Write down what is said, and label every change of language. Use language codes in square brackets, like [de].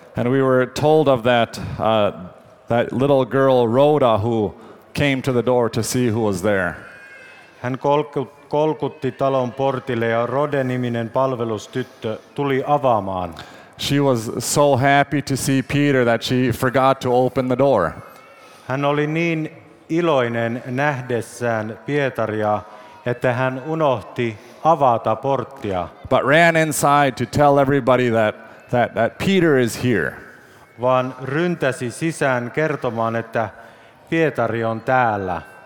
[en] And we were told of that little girl Rhoda who came to the door to see who was there. [fi] Hän kolkutti talon portille ja Rode-niminen palvelustyttö tuli avaamaan. [en] She was so happy to see Peter that she forgot to open the door. [fi] Hän oli niin iloinen nähdessään Pietaria, että hän unohti avata porttia. [en] But ran inside to tell everybody that Peter is here. [fi] Vaan ryntäsi sisään kertomaan, että Pietari on täällä.